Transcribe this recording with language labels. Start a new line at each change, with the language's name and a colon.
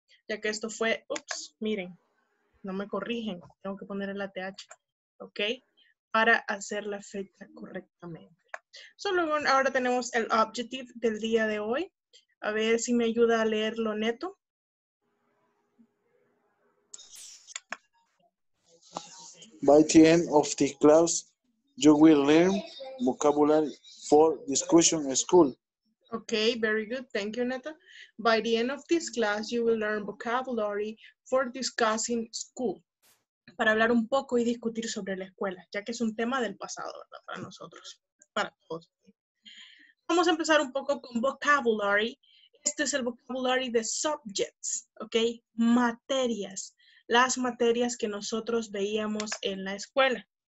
Spanish: Ya que esto fue, ups, miren, no me corrigen. Tengo que poner la TH, ¿ok? Para hacer la fecha correctamente. Solo ahora tenemos el objective del día de hoy. A ver si me ayuda a leerlo, Neto.
English: By the end of the class, you will learn vocabulary for discussion school. Okay, very good. Thank you, Neto. By the end of this class, you will learn vocabulary for discussing school.
Spanish: Para hablar un poco y discutir sobre la escuela, ya que es un tema del pasado, ¿verdad? Para nosotros. Para Vamos a empezar un poco con vocabulary. Este es el vocabulary de subjects, ¿ok? Materias. Las materias que nosotros veíamos en la escuela.